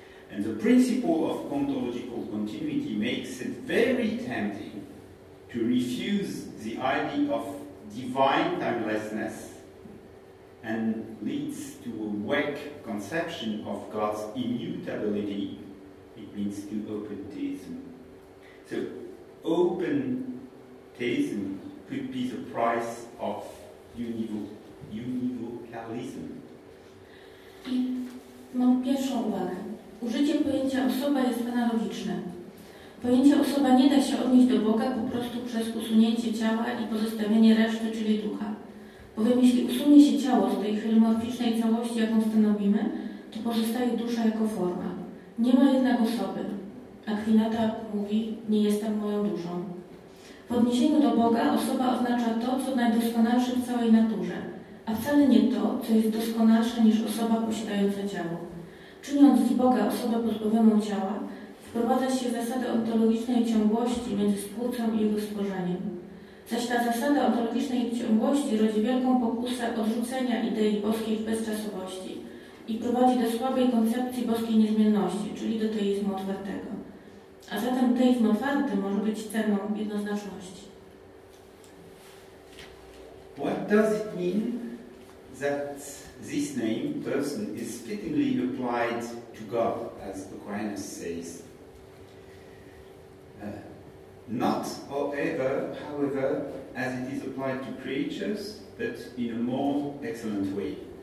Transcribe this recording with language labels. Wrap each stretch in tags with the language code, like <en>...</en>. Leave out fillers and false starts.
<en>And the principle of ontological continuity makes it very tempting to refuse the idea of divine timelessness and leads to a weak conception of God's immutability. It means to open theism. So, open theism could be the price of univocalism.</en> <pl>I mam pierwszą uwagę. Użycie pojęcia osoba jest analogiczne. Pojęcie osoba nie da się odnieść do Boga po prostu przez usunięcie ciała i pozostawienie reszty, czyli ducha. Bowiem jeśli usunie się ciało z tej filmorficznej całości, jaką stanowimy, to pozostaje dusza jako forma. Nie ma jednak osoby. Akwinata mówi, nie jestem moją duszą. W odniesieniu do Boga osoba oznacza to, co najdoskonalsze w całej naturze. a wcale nie to, co jest doskonalsze niż osoba posiadająca ciało. Czyniąc z Boga osobę pozbawioną ciała, wprowadza się zasadę ontologicznej ciągłości między stwórcą i jego stworzeniem. Zaś ta zasada ontologicznej ciągłości rodzi wielką pokusę odrzucenia idei boskiej w bezczasowości i prowadzi do słabej koncepcji boskiej niezmienności, czyli do teizmu otwartego. A zatem teizm otwarty może być ceną jednoznaczności.</pl> <en>What does it mean that this name, person, is fittingly applied to God, as Aquinas says? Not, or ever, however, as it is applied to creatures, but in a more excellent way.</en>